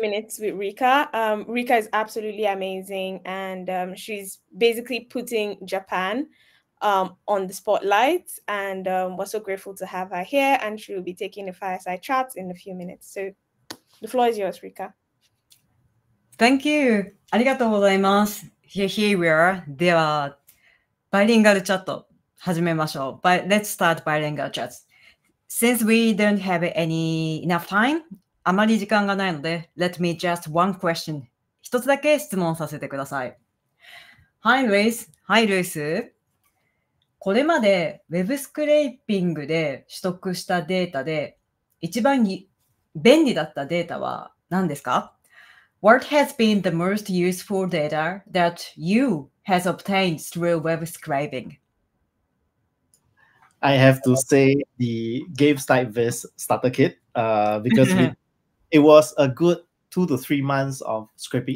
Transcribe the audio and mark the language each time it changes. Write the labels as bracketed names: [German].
[English] minutes with Rika. Rika is absolutely amazing. And she's basically putting Japan on the spotlight. And we're so grateful to have her here. And she will be taking the fireside chat in a few minutes. So the floor is yours, Rika. Thank you. [Japanese] ありがとうございます。 [English] Here we are. [Japanese] では、バイリンガルチャット始めましょう。 [English] Let's start bilingual chats. Since we don't have enough time, [Japanese] あまり時間がないので、 [English] Let me just one question. [Japanese] 一つだけ質問させてください。 [English] Hi, Luis. Hi, Luis. [Japanese] これまで Web スクレーピングで取得したデータで一番便利だったデータは何ですか？ [English] What has been the most useful data that you has obtained through Web scraping? I have to say the Games Like This starter kit because it was a good 2 to 3 months of scraping.